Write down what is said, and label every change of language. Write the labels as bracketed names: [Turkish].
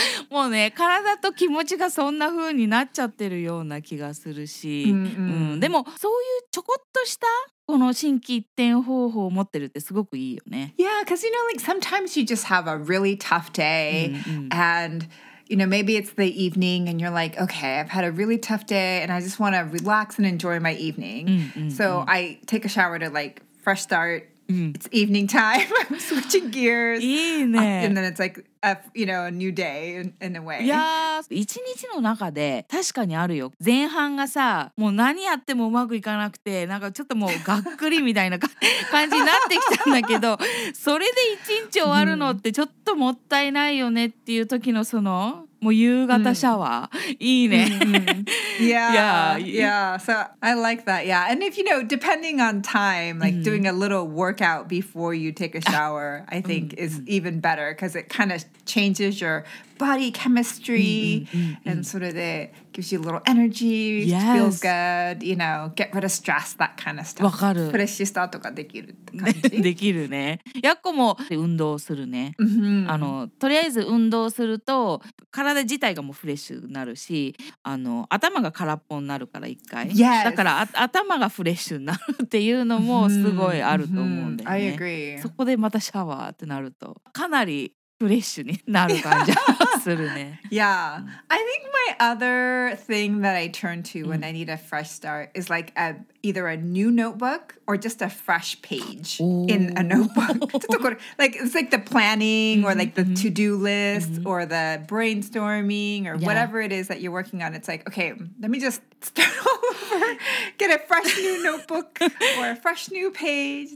[Japanese] もうね、体と気持ちがそんな風になっちゃってるような気がするし、でもそういうちょこっとしたこの新規一転方法を持ってるってすごくいいよね。 [English] Yeah, because you know, like sometimes you just have a really tough day, and you know, maybe it's the evening and you're like, okay, I've had a really tough day and I just want to relax and enjoy my evening. So I take a shower to like fresh startit's evening time. I'm switching gears. [Japanese] いいね。 [English] And then it's like, a new day in a way. Yeah. [Japanese] 一日の中で確かにあるよ。前半がさ、もう何やってもうまくいかなくて、なんかちょっともうがっくりみたいな感じになってきたんだけど、それで一日終わるのってちょっともったいないよねっていう時のその、もう夕方シャワー。いいね。 [English] Yeah. So I like that. Yeah. And if, you know, depending on time, like doing a little workout before you take a shower, I think is even better because it kind of changes your body chemistry, and sort of it gives you a little energy, feel good, you know, get rid of stress, that kind of stuff. [Japanese] わかる。フレッシュスタートができるって感じ。できるね。やっこも運動するね。あの、とりあえず運動すると体自体がもうフレッシュになるし、あの、頭が空っぽになるから一回。 [English] Yes. [Japanese] だから頭がフレッシュになるっていうのもすごいあると思うんだよね。 [English] I agree. [Japanese] そこでまたシャワーってなるとかなりフレッシュになる感じがするね。 [English] Yeah. I think my other thing that I turn to when I need a fresh start is like a, either a new notebook or just a fresh page in a notebook. [Japanese] ちょっとこれ、 [English] like, it's like the planning or like the to-do list or the brainstorming or whatever it is that you're working on. It's like, okay, let me just start all over, get a fresh new notebook or a fresh new page.